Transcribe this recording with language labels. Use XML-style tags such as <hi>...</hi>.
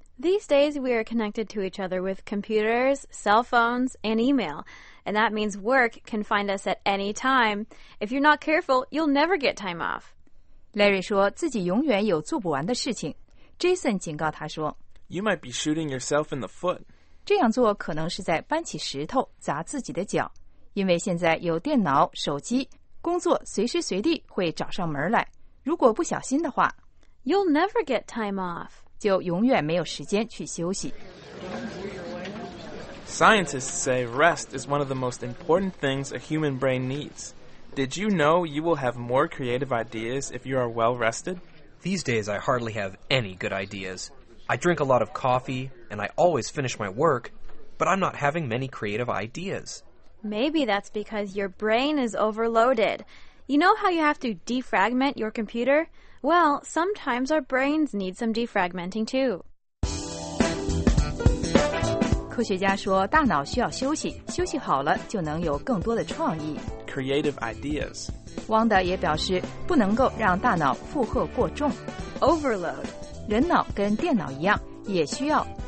<en>These days, we are connected to each other with computers, cell phones, and email. And that means work can find us at any time. If you're not careful, you'll never get time off.</en> <zh>Larry 说自己永远有做不完的事情。Jason 警告他说</zh> <en>You might be shooting yourself in the foot.</en> <zh>这样做可能是在搬起石头砸自己的脚，因为现在有电脑、手机，工作随时随地会找上门来。如果不小心的话</zh> <en>，You'll never get time off，</en> <zh>就永远没有时间去休息。</zh> <en>Scientists say rest is one of the most important things a human brain needs. Did you know you will have more creative ideas if you are well rested? These days, I hardly have any good ideas. I drink a lot of coffee, and I always finish my work, but I'm not having many creative ideas. Maybe that's because your brain is overloaded. You know how you have to defragment your computer? Well, sometimes our brains need some defragmenting too.</en> <zh>科学家说大脑需要休息，休息好了就能有更多的创意。</zh> <en>Creative ideas.</en> <zh>Wanda 也表示不能够让大脑负荷过重。</zh> <en>Overload.</en> <zh>人脑跟电脑一样，也需要</zh>